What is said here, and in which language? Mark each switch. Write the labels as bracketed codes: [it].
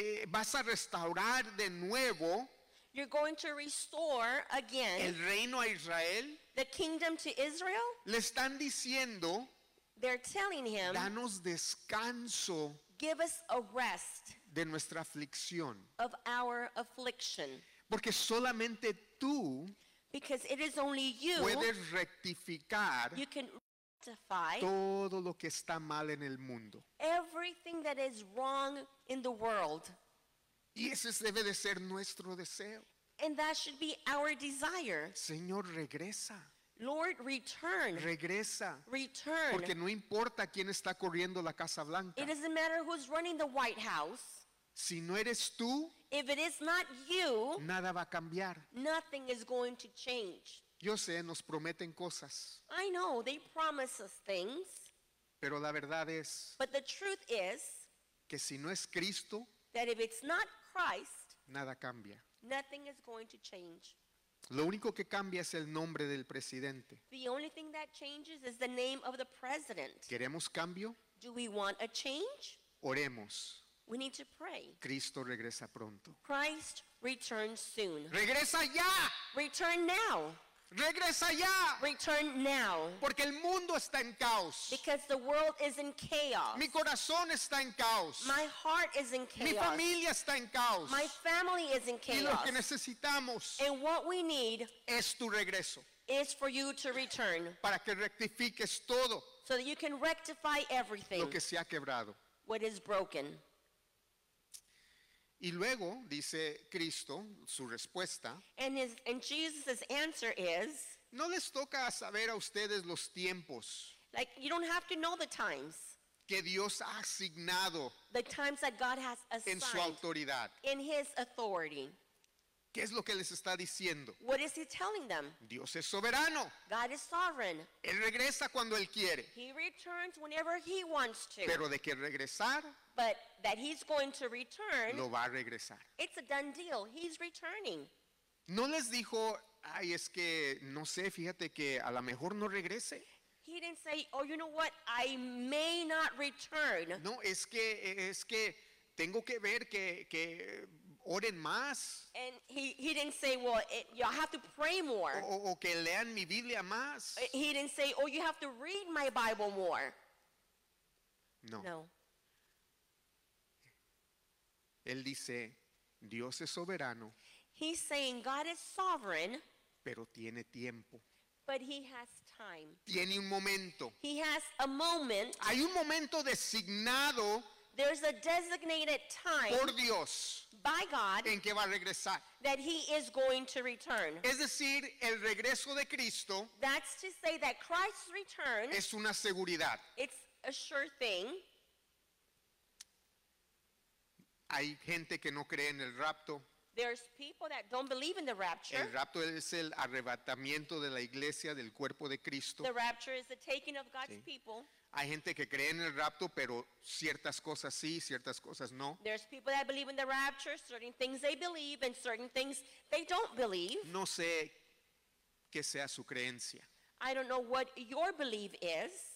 [es] ¿vas a restaurar de nuevo? [en] You're going to restore again [es] el reino a Israel. [en] The kingdom to Israel. [es] Le están diciendo, [en] they're telling him, [es] danos descanso. [en] Give us a rest [es] de nuestra aflicción. [en] Of our affliction. [es] Porque solamente tú, [en] because it is only you, [es] puedes rectificar, [en] you can rectify [es] todo lo que está mal en el mundo. [en] Everything that is wrong in the world. [es] Y ese debe de ser nuestro deseo. [en] And that should be our desire. [es] Señor, regresa. [en] Lord, return. [es] Regresa. [en] Return. [es] Porque no importa quién está corriendo la Casa Blanca. [en] It doesn't matter who's running the White House. [es] Si no eres tú, [en] if it is not you, [es] nada va a cambiar. [en] Nothing is going to change. [es] Yo sé, nos prometen cosas. [en] I know, they promise us things. [es] Pero la verdad es, [en] but the truth is, [es] que si no es Cristo, [en] that if it's not Christ, [es] nada cambia. [en] Nothing is going to change. [es] Lo único que cambia es el nombre del presidente. [en] The only thing that changes is the name of the president. [es] ¿Queremos cambio? [en] Do we want a change? [es] Oremos. [en] We need to pray. [es] Cristo regresa pronto. [en] Christ returns soon. [es] ¡Regresa ya! [en] Return now. [es] ¡Regresa ya! [en] Return now. [es] Porque el mundo está en caos. [en] Because the world is in chaos. [es] Mi corazón está en caos. [en] My heart is in chaos. [es] Mi familia está en caos. [en] My family is in chaos. [es] Y lo que necesitamos, [en] and what we need, [es] es tu regreso. [en] Is for you to return. [es] Para que rectifiques todo. [en] So that you can rectify everything. [es] Lo que se ha quebrado. [en] What is broken. [es] Y luego dice Cristo su respuesta. [en] And Jesus' answer is, [es] no les toca saber a ustedes los tiempos. [en] Like, you don't have to know the times. [es] Que Dios ha asignado. [en] The times that God has assigned. [es] En su autoridad. [en] In his authority. [es] ¿Qué es lo que les está diciendo? [en] What is he telling them? [es] Dios es soberano. [en] God is sovereign. [es] Él regresa cuando él quiere. [en] He returns whenever he wants to. [es] Pero de qué regresar. [en] But that he's going to return. [es] Lo va a regresar. [en] It's a done deal. He's returning. [es] No les dijo, ay, es que no sé, fíjate que a lo mejor no regrese. [en] He didn't say, oh, you know what, I may not return. [es] No, es que tengo que ver que oren más. [en] And he didn't say, well, you have to pray more. [es] O que lean mi Biblia más. [en] He didn't say, oh, you have to read my Bible more. [es] No. [en] No. [es] Él dice, Dios es soberano. [en] He's saying God is sovereign. [es] Pero tiene tiempo. [en] But he has time. [es] Tiene un momento. [en] He has a moment. [es] Hay un momento designado. [en] There's a designated time [es] por Dios [en] by God [es] en que va a regresar. [en] That he is going to return. [es] Es decir, el regreso de Cristo, [en] that's to say that Christ's return [es] es una seguridad. [en] It's a sure thing. [es] Hay gente que no cree en el rapto. [en] There's people that don't believe in the rapture. [es] El rapto es el arrebatamiento de la iglesia del cuerpo de Cristo. [en] The rapture is the taking of God's sí. people. [es] Hay gente que cree en el rapto, pero ciertas cosas sí, ciertas cosas no. [en] There's people that believe in the rapture, certain things they believe and certain things they don't believe. [es] No sé qué sea su creencia. [en] I don't know what your belief is.